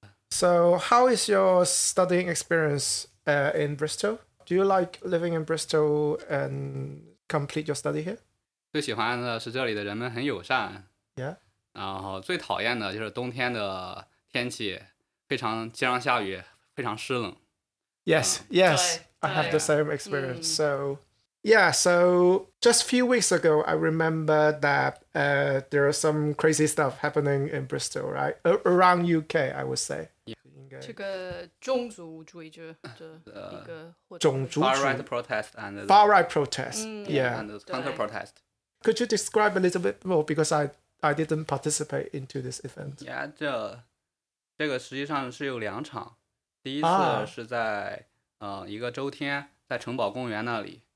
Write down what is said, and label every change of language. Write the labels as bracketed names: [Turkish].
[English] So how is your studying experience in Bristol? Do you like living in Bristol and complete your study here? [Chinese] 最喜欢的是这里的人们很友善。 [English] Yeah. [Chinese] 然后最讨厌的就是冬天的天气，非常经常下雨，非常湿冷。 [English] Yes, yes, I have the same experience. So, yeah, so just a few weeks ago, I remember that there are some crazy stuff happening in Bristol, right? Around UK, I would say. [Chinese] 这个种族主义者的一个种族 [English] far-right protest and far-right protest、yeah. and counter protest. Could you describe a little bit more? Because I didn't participate into this event. [Chinese] Yeah, 这个实际上是有两场，第一次是在、一个周天，在城堡公园那里。